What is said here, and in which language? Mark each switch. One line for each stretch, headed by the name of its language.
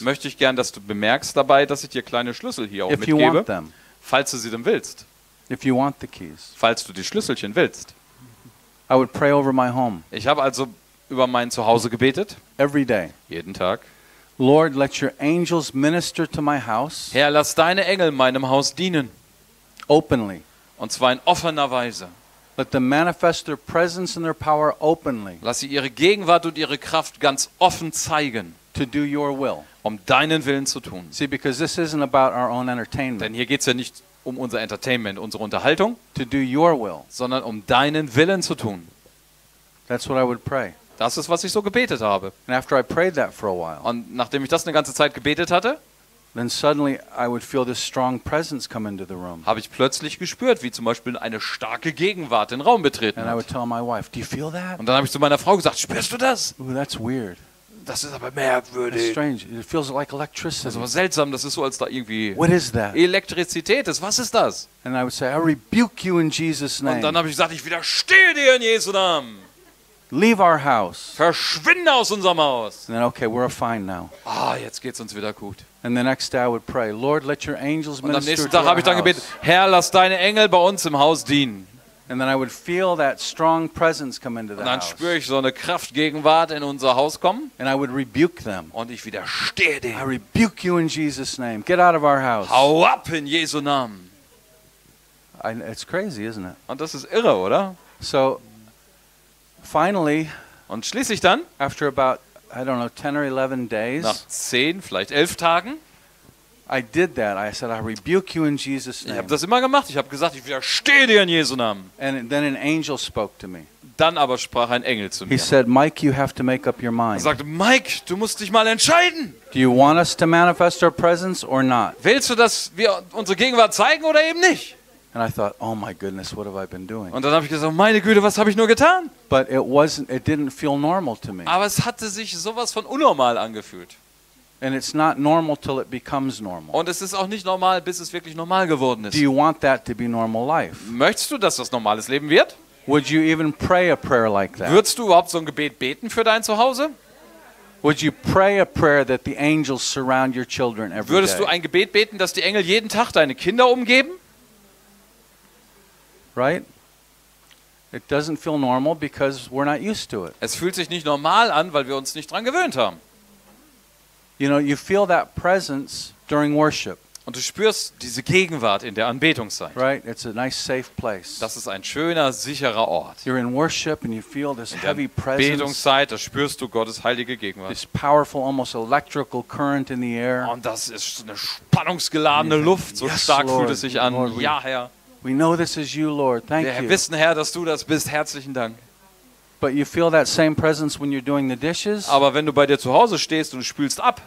German: Möchte ich gern, dass du bemerkst dabei, dass ich dir kleine Schlüssel hier auch mitgebe. Falls du sie denn willst.
English: If you want the keys.
German: Falls du die Schlüsselchen willst.
English: I would pray over my home.
German: Ich habe also über mein Zuhause gebetet.
English: Every day.
German: Jeden Tag.
English: Lord, let your angels minister to my house.
German: Herr, lass deine Engel meinem Haus dienen.
English: Openly.
German: Und zwar in offener Weise.
English: Let them manifest their presence and their power openly.
German: Lass sie ihre Gegenwart und ihre Kraft ganz offen zeigen.
English: To do your will.
German: Um deinen Willen zu tun.
English: See, because this isn't about our own entertainment.
German: Denn hier geht's ja nicht um unser Entertainment, unsere Unterhaltung.
English: To do your will.
German: Sondern um deinen Willen zu tun.
English: That's what I would pray.
German: Das ist, was ich so gebetet habe.
English: And after I prayed that for a while.
German: Und nachdem ich das eine ganze Zeit gebetet hatte.
English: Then suddenly I would feel this strong presence come into the room.
German: Habe ich plötzlich gespürt, wie zum Beispiel eine starke Gegenwart den Raum betreten hat.
English: And I would tell my wife, "Do you feel that?"
German: Und dann habe ich zu meiner Frau gesagt, spürst du das?
English: Ooh, that's weird.
German: Das ist aber merkwürdig.
English: It's strange. It feels like electricity.
German: Das ist aber seltsam. Das ist so, als da irgendwie
English: what is that?
German: Elektrizität ist. Was ist das?
English: And I would say, "I rebuke you in Jesus' name."
German: Und dann habe ich gesagt, ich widerstehe dir in Jesu Namen.
English: Leave our house.
German: Verschwinde aus unserem Haus.
English: And then, okay, we're fine now.
German: Ah, jetzt geht's uns wieder gut.
English: And the next day I would pray, Lord, let your angels minister.
German: Und am nächsten Tag habe ich dann gebetet, Herr, lass deine Engel bei uns im Haus dienen.
English: And then I would feel that strong presence come into the house.
German: Und dann spüre ich so eine Kraftgegenwart in unser Haus kommen.
English: And I would rebuke them.
German: Und ich widerstehe denen.
English: I rebuke you in Jesus' name. Get out of our house.
German: Hau ab in Jesu Namen.
English: It's crazy, isn't it?
German: Und das ist irre, oder?
English: So finally,
German: und schließlich dann,
English: after about I don't know 10 or 11 days,
German: nach 10 vielleicht 11 Tagen,
English: I did that. I said I rebuke you in Jesus' name.
German: Ich habe das immer gemacht. Ich habe gesagt, ich widerstehe dir in Jesu Namen.
English: And then an angel spoke to me.
German: Dann aber sprach ein Engel zu mir.
English: He said, Mike, you have to make up your mind.
German: Er sagte, Mike, du musst dich mal entscheiden.
English: Do you want us to manifest our presence or not?
German: Willst du, dass wir unsere Gegenwart zeigen oder eben nicht?
English: And I thought, oh my goodness, what have I been doing?
German: Und dann habe ich gesagt, meine Güte, was habe ich nur getan?
English: But it wasn't, it didn't feel normal to me.
German: Aber es hatte sich sowas von unnormal angefühlt.
English: And it's not normal till it becomes normal.
German: Und es ist auch nicht normal, bis es wirklich normal geworden ist.
English: Do you want that to be normal life?
German: Möchtest du, dass das normales Leben wird?
English: Would you even pray a prayer like that?
German: Würdest du überhaupt so ein Gebet beten für dein Zuhause?
English: Would you pray a prayer that the angels surround your children every day?
German: Würdest du ein Gebet beten, dass die Engel jeden Tag deine Kinder umgeben?
English: Right? It doesn't feel normal because we're not used to it.
German: Es fühlt sich nicht normal an, weil wir uns nicht dran gewöhnt haben.
English: You know, you feel that presence during worship.
German: Und du spürst diese Gegenwart in der Anbetungszeit.
English: Right, it's a nice safe place.
German: Das ist ein schöner, sicherer Ort.
English: You're in worship and you feel this in heavy presence.
German: In der Anbetungszeit, da spürst du Gottes heilige Gegenwart.
English: This powerful, almost electrical current in the air.
German: Und das ist eine spannungsgeladene Luft, so
English: yes,
German: stark
English: Lord,
German: fühlt es sich an.
English: Lord,
German: ja, Herr.
English: We know this is you, Lord. Thank you.
German: Wir wissen, Herr, dass du das bist. Herzlichen Dank.
English: But you feel that same presence when you're doing the dishes.
German: Aber wenn du bei dir zu Hause stehst und spülst ab.